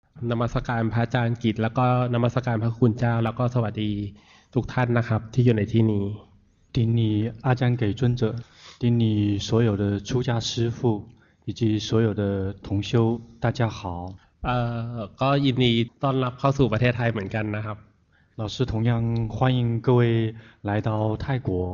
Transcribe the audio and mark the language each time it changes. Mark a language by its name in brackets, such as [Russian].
[Thai] นมัสการพระอาจารย์กิตแล้วก็นมัสการพระคุณเจ้าแล้วก็สวัสดีทุกท่านนะครับที่อยู่ในที่นี้ [Chinese] 顶礼阿姜给尊者顶礼所有的出家师父以及所有的同修大家好 [Thai] ก็ยินดีต้อนรับเข้าสู่ประเทศไทยเหมือนกันนะครับ [Chinese] 老师同样欢迎各位来到泰国